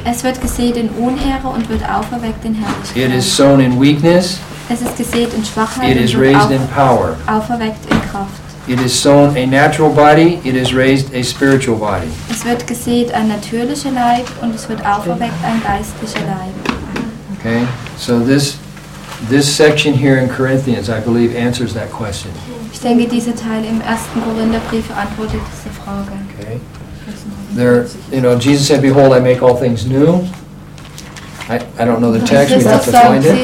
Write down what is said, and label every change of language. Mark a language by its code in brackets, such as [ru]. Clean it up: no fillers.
[de] Es wird gesät in Unehre und wird auferweckt in Herrlichkeit. [en] It is sown in weakness. [de] Es ist gesät in Schwachheit. [en] It is raised in power. [de] Auferweckt in Kraft. [en] It is sown a natural body, it is raised a spiritual body. [de] Es wird gesät ein natürlicher Leib und es wird auferweckt ein geistlicher Leib. [en] Okay, so this section here in Corinthians, I believe, answers that question. [de] Ich denke, dieser Teil im ersten Korintherbrief antwortet diese Frage. [en] Okay. There, you know, Jesus said, "Behold, I make all things new." I don't know the text, we have to find it.